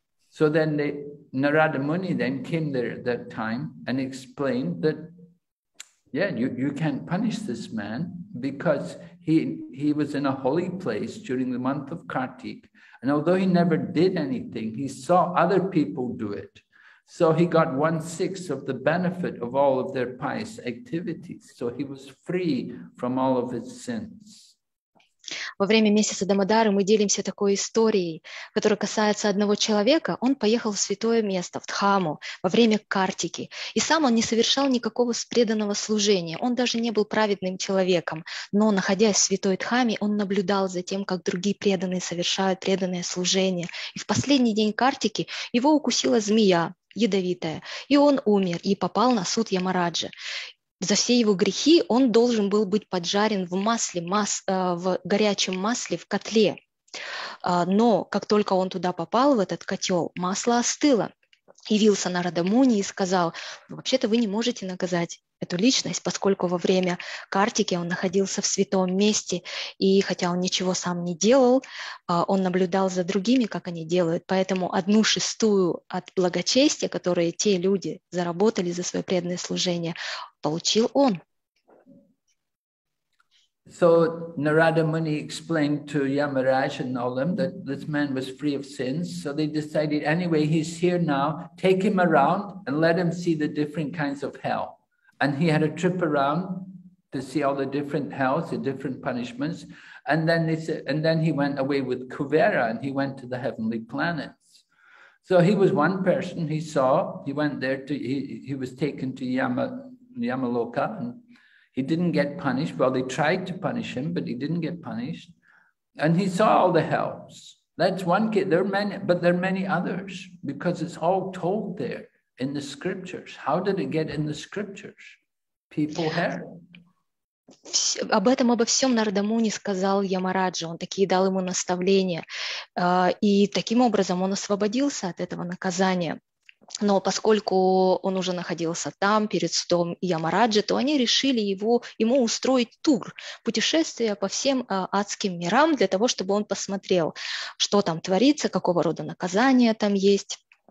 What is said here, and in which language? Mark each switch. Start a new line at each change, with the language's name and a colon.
English: So then Narada Muni then came there at that time and explained that, yeah, you can't punish this man because he was in a holy place during the month of Kartik. And although he never did anything, he saw other people do it. So he got 1/6 of the benefit of all of their pious activities. So he was free from all of his sins.
Russian: Во время месяца Дамодары мы делимся такой историей, которая касается одного человека. Он поехал в святое место, в Дхаму, во время Картики. И сам он не совершал никакого преданного служения. Он даже не был праведным человеком. Но, находясь в святой Дхаме, он наблюдал за тем, как другие преданные совершают преданное служение. И в последний день Картики его укусила змея ядовитая. И он умер и попал на суд Ямараджа. За все его грехи он должен был быть поджарен в масле, в горячем масле, в котле. Но как только он туда попал, в этот котел, масло остыло. Явился Нарада Муни и сказал: «Вообще-то вы не можете наказать эту личность, поскольку во время Картики он находился в святом месте, и хотя он ничего сам не делал, он наблюдал за другими, как они делают, поэтому 1/6 от благочестия, которое те люди заработали за свое преданное служение, получил он».
English: So Narada Muni explained to Yamaraj and all them that this man was free of sins. So they decided, anyway, he's here now, take him around and let him see the different kinds of hell. And he had a trip around to see all the different hells, the different punishments. And then they said, and then he went away with Kuvera and he went to the heavenly planets. So he was one person he saw. He went there to, he was taken to Yamaloka. And he didn't get punished. Well, they tried to punish him, but he didn't get punished. And he saw all the hells. That's one case. There are many, but there are many others because it's all told there in the scriptures. How did it get in the scriptures? People heard.
Russian: Об этом, обо всем Нарада Муни сказал Ямараджу, он такие дал ему наставления. И таким образом он освободился от этого наказания. Но поскольку он уже находился там, перед судом Ямараджа, то они решили ему устроить тур, путешествие по всем адским мирам, для того, чтобы он посмотрел, что там творится, какого рода наказания там есть.